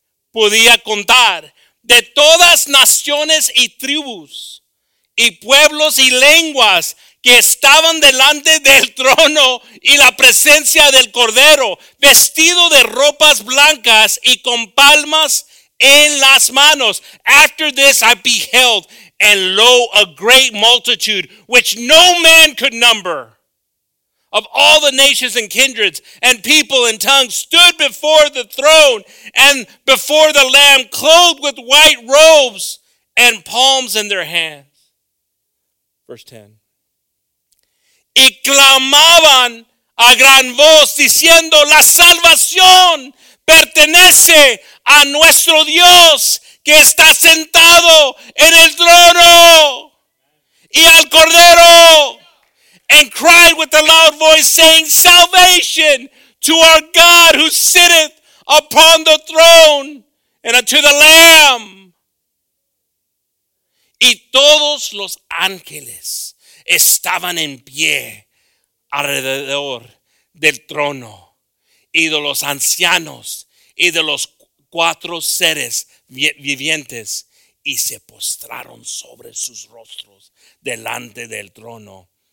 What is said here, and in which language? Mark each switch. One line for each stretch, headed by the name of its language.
Spanish: podía contar, de todas naciones y tribus y pueblos y lenguas que estaban delante del trono y la presencia del Cordero, vestido de ropas blancas y con palmas en las manos.
English: After this I beheld, and lo, a great multitude, which no man could number, of all the nations and kindreds and people and tongues, stood before the throne and before the Lamb, clothed with white robes and palms in their hands.
Spanish: Verse 10. Y clamaban a gran voz diciendo, la salvación pertenece a nuestro Dios que está sentado en el trono y al Cordero.
English: And cried with a loud voice, saying, salvation to our God who sitteth upon the throne and unto the Lamb.
Spanish: Y todos los ángeles estaban en pie alrededor del trono y de los ancianos y de los cuatro seres vivientes y se postraron sobre sus rostros delante del trono.